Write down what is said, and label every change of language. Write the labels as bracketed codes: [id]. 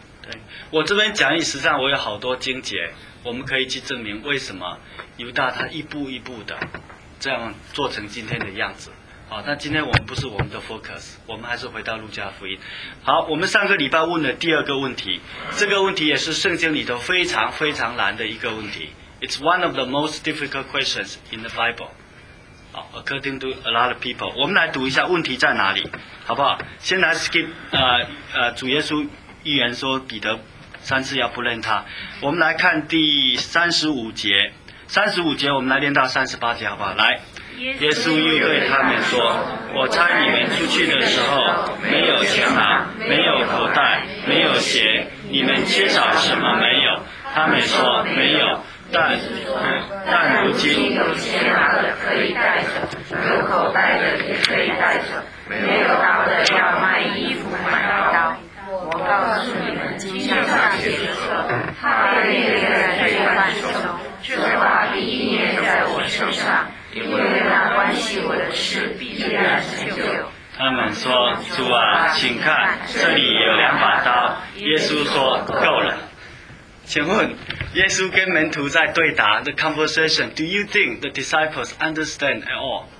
[zh] 对，我这边讲义实际上我有好多经节，我们可以去证明为什么犹大他一步一步的这样做成今天的样子。好，但今天我们不是我们的 focus， 我们还是回到路加福音。好，我们上个礼拜问了第二个问题，这个问题也是圣经里头非常非常难的一个问题， [en] It's one of the most difficult questions in the Bible. According to a lot of people. [zh] 我们来读一下问题在哪里，好不好？先来 skip 主耶稣预言说彼得三次要不认他。我们来看第三十五节，三十五节我们来念到三十八节，好不好？来，耶稣又对他们说，我差你们出去的时候没有钱囊，没有口袋，没有鞋，你们缺少什么没有？他们说没有，但如今有钱拿的可以带走，有口袋的也可以带走，没有刀的要卖衣服买刀。我告诉你们，今上下去的时候，他被那个人罪犯手中，这话必念在我身上，因为那关系我的事必然成就。他们说，主啊，请看，这里有两把刀。耶稣说，够了。请问耶稣跟门徒在对答 [en] the conversation, do you think the disciples understand at all?